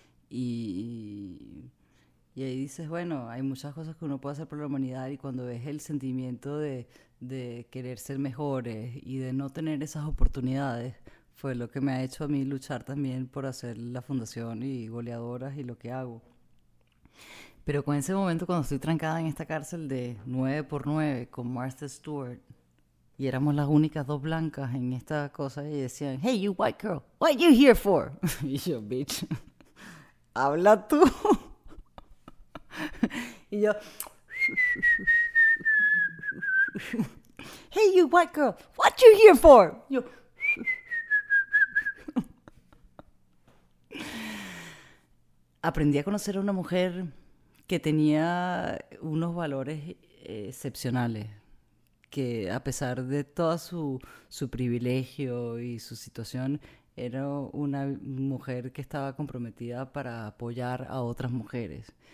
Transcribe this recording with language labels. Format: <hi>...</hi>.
<es>Y ahí dices, bueno, hay muchas cosas que uno puede hacer por la humanidad y cuando ves el sentimiento de querer ser mejores y de no tener esas oportunidades, fue lo que me ha hecho a mí luchar también por hacer la fundación y goleadoras y lo que hago. Pero con ese momento cuando estoy trancada en esta cárcel de 9x9 con Martha Stewart y éramos las únicas dos blancas en esta cosa y decían,</es> <en>hey, you white girl, what are you here for?</en> <es>Y yo, bitch, habla tú. Y yo,</es> <en>hey, you white girl, what you here for?</en> <es>Yo, aprendí a conocer a una mujer que tenía unos valores excepcionales, que a pesar de todo su privilegio y su situación, era una mujer que estaba comprometida para apoyar a otras mujeres.</es>